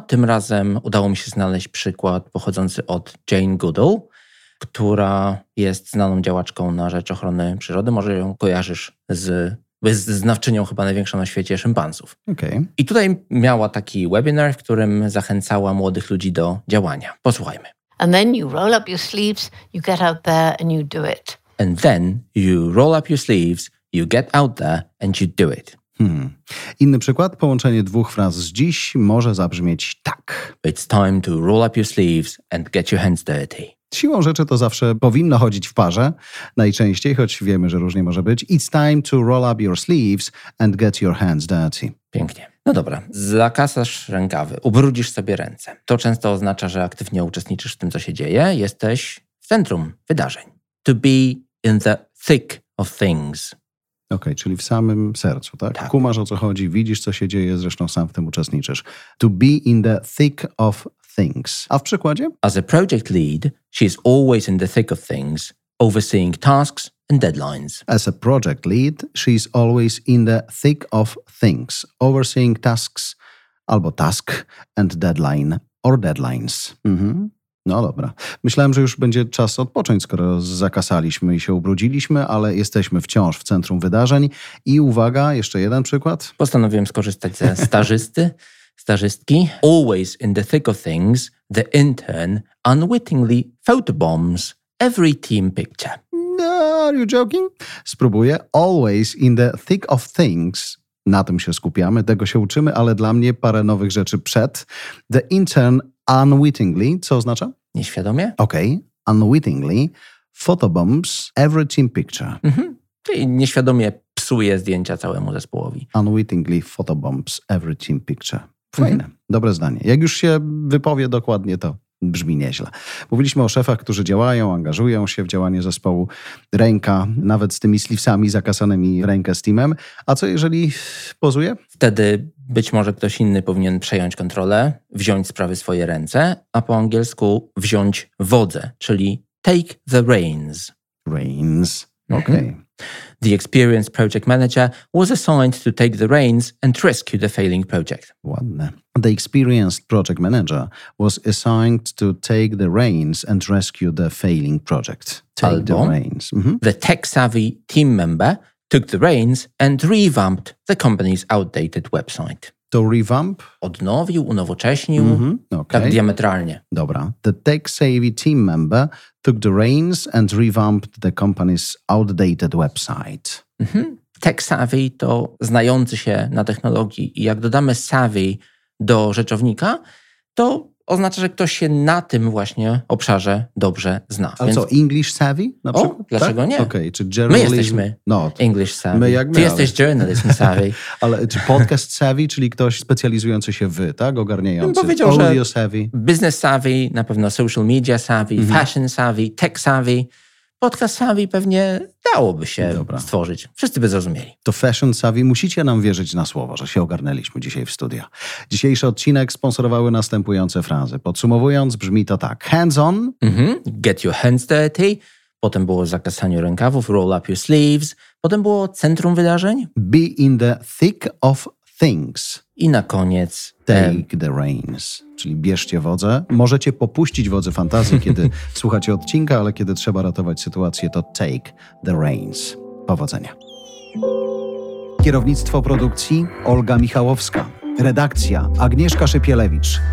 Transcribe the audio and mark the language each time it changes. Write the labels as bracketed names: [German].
[Polish] Tym razem udało mi się znaleźć przykład pochodzący od Jane Goodall, która jest znaną działaczką na rzecz ochrony przyrody. Może ją kojarzysz z... jest znawczynią chyba największą na świecie szympansów. Okay. I tutaj miała taki webinar, w którym zachęcała młodych ludzi do działania. Posłuchajmy. [English] And then you roll up your sleeves, you get out there and you do it. And then you roll up your sleeves, you get out there and you do it. [Polish] Inny przykład, połączenie dwóch fraz z dziś może zabrzmieć tak. [English] It's time to roll up your sleeves and get your hands dirty. [Polish] Siłą rzeczy to zawsze powinno chodzić w parze, najczęściej, choć wiemy, że różnie może być. [English] It's time to roll up your sleeves and get your hands dirty. [Polish] Pięknie. No dobra, zakasasz rękawy, ubrudzisz sobie ręce. To często oznacza, że aktywnie uczestniczysz w tym, co się dzieje. Jesteś w centrum wydarzeń. [English] To be in the thick of things. [Polish] Okej, czyli w samym sercu, tak? Tak. Kumasz, o co chodzi, widzisz, co się dzieje, zresztą sam w tym uczestniczysz. [English] To be in the thick of things. [Polish] A w przykładzie? [English] As a project lead, she is always in the thick of things, overseeing tasks and deadlines. As a project lead, she is always in the thick of things, overseeing tasks, [Polish] albo [English] task and deadline, or deadlines. [Polish] No dobra. Myślałem, że już będzie czas odpocząć, skoro zakasaliśmy i się ubrudziliśmy, ale jesteśmy wciąż w centrum wydarzeń. I uwaga, jeszcze jeden przykład. Postanowiłem skorzystać ze stażysty. Stażystki. [English] Always in the thick of things, the intern unwittingly photobombs every team picture. No, are you joking? [Polish] Spróbuję. [English] Always in the thick of things. [Polish] Na tym się skupiamy, tego się uczymy, ale dla mnie parę nowych rzeczy przed. [English] The intern unwittingly, [Polish] co oznacza? Nieświadomie? [English] Okay, unwittingly photobombs every team picture. [Polish] Czyli nieświadomie psuje zdjęcia całemu zespołowi. [English] Unwittingly photobombs every team picture. [Polish] Fajne. [English] Mhm. [Polish] Dobre zdanie. Jak już się wypowie dokładnie, to brzmi nieźle. Mówiliśmy o szefach, którzy działają, angażują się w działanie zespołu. Ręka, nawet z tymi sleevesami zakasanymi rękę z teamem. A co jeżeli pozuje? Wtedy być może ktoś inny powinien przejąć kontrolę, wziąć sprawy w swoje ręce, a po angielsku wziąć wodzę, czyli [English] take the reins. [Polish] Reins, okej. Okay. [English] The experienced project manager was assigned to take the reins and rescue the failing project. [Polish] Ładne. [English] The experienced project manager was assigned to take the reins and rescue the failing project. Take the reins. Mm-hmm. The tech-savvy team member took the reins and revamped the company's outdated website. To revamp? [Polish] Odnowił, unowocześnił. Mm-hmm. Okay. Tak diametralnie. Dobra. [English] The tech-savvy team member took the reins and revamped the company's outdated website. Mm-hmm. [Polish] Tech-savvy to znający się na technologii. I jak dodamy savvy do rzeczownika, to oznacza, że ktoś się na tym właśnie obszarze dobrze zna. A więc... co, [English] English savvy [Polish] na przykład? O, dlaczego tak? Nie? Okay. Czy journalism... My jesteśmy not. [English] English savvy. [Polish] My jak my, ty ale... jesteś journalism savvy. Ale czy podcast savvy, czyli ktoś specjalizujący się w, tak, ogarniający? Bym powiedział, audio savvy. Business savvy, na pewno social media savvy, mhm. Fashion savvy, tech savvy. Podcast savvy pewnie dałoby się dobra. Stworzyć. Wszyscy by zrozumieli. To fashion savvy, musicie nam wierzyć na słowo, że się ogarnęliśmy dzisiaj w studio. Dzisiejszy odcinek sponsorowały następujące frazy. Podsumowując, brzmi to tak. [English] Hands on. Mm-hmm. Get your hands dirty. [Polish] Potem było zakasanie rękawów. [English] Roll up your sleeves. [Polish] Potem było centrum wydarzeń. [English] Be in the thick of things. [Polish] I na koniec... [English] Take the reins. [Polish] Czyli bierzcie wodzę. Możecie popuścić wodzę fantazji, kiedy słuchacie odcinka, ale kiedy trzeba ratować sytuację, to [English] take the reins. [Polish] Powodzenia. Kierownictwo produkcji Olga Michałowska. Redakcja Agnieszka Szypielewicz.